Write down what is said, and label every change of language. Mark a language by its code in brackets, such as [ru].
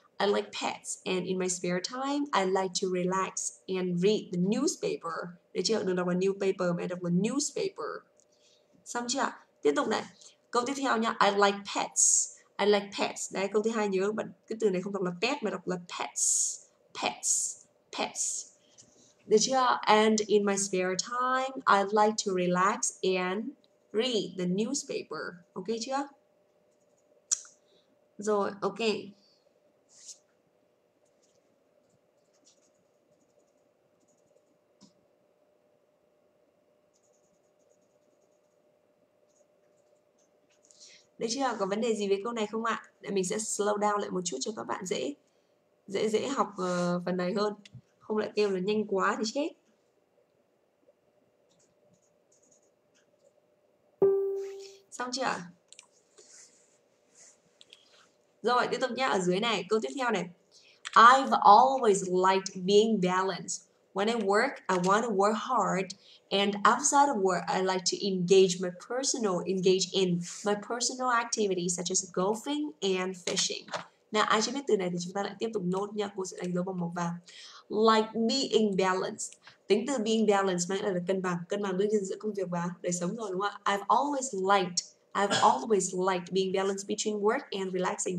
[en] I like pets and in my spare time, I like to relax and read the newspaper. [vi] Được chưa? Đừng đọc là newspaper mà đọc là newspaper. Xong chưa? Tiếp tục này. Câu tiếp theo nhá. [en] I like pets. I like pets. [vi] Đấy, câu thứ hai nhớ bạn cái từ này không đọc là pet mà đọc là pets. Pets. Pets. Được chưa? [en] And in my spare time, I like to relax and read the newspaper. [vi] Ok chưa? Rồi, ok. Được chưa? Có vấn đề gì với câu này không ạ? Để mình sẽ [en] slow down [vi] lại một chút cho các bạn dễ học phần này hơn. Không lại kêu là nhanh quá thì chết. Xong chưa? Rồi, tiếp tục nhé. Ở dưới này, câu tiếp theo này. [en] I've always liked being balanced. When I work, I want to work hard. And outside of work, I like to engage in my personal activities such as golfing and fishing. [vi] Nào, ai chưa biết từ này thì chúng ta lại tiếp tục note nhé. Cô sẽ đánh dấu bằng màu vàng. [en] Like being balanced. [vi] Tính từ [en] being balanced [vi] mang nghĩa là cân bằng đương nhiên giữa công việc và đời sống rồi đúng không ạ? [en] I've always liked being balanced between work and relaxing.